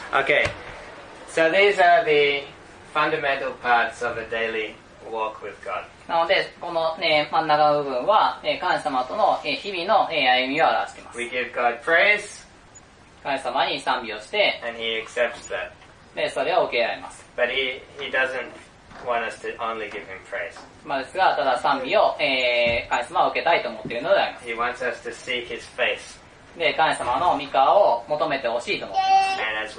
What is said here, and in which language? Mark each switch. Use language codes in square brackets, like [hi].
[en] Okay, so these are the fundamental parts of a daily walk with God. [ja] なので、この、ね、真ん中の部分は、神様との、日々の、歩みを表しています。 [en] We give God praise. [ja] 神様に賛美をして、 [en] and he accepts that. [ja] で、それを受け入れます。 [en] But he doesn't want us to only give him praise. [ja] まあ、ですが、ただ賛美を、神様は受けたいと思っているのであります。 [en] He wants us to seek his face. [ja] で、神様の御顔を求めてほしいと思っています。